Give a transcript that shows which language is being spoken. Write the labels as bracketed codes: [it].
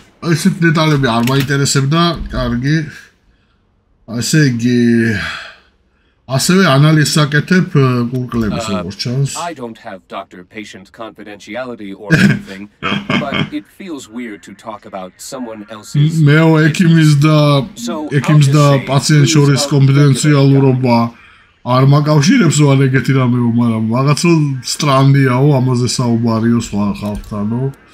[ka] ეს დეტალები არ მაინტერესებდა, კარგი. ასე იგი ასევე ანალიზს აკეთებ გუგლებს როგორც ჩანს. [en] I don't have doctor patient confidentiality or anything, but it feels weird to talk about someone else's. [ka] მეო ექიმს და პაციენტ შორის კონფიდენციალურობა არ მაკავშირებს ვარ ეგეთი რამეო, მაგრამ რაღაცა სტრანდიაო ამაზე საუბარიო სხვა ხალხთანო.